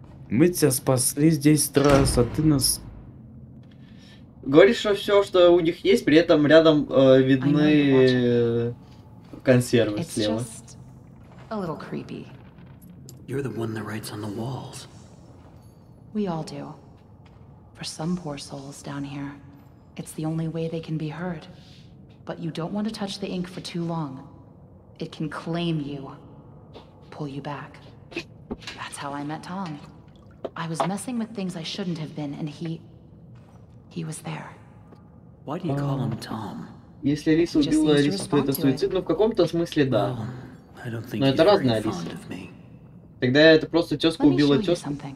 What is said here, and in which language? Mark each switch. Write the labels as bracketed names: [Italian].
[Russian] Мы тебя спасли здесь раз, а ты нас... Говоришь, что все, что у них есть, при этом рядом видны консервы слева. [English] A little creepy. You're the one that writes on the walls. We all do. For some poor souls down here. It's the only way they can be heard. But you don't want to touch the ink for too long. It can claim you. Pull you back. That's how I met Tom. I was messing with things I shouldn't have been, and he... he was there. Why do you call him Tom? [Russian] Если Алиса убила Алису, то это суицид? Ну, в каком-то смысле, да. Но это разная Алиса. Тогда это просто тёзка убила тёзку.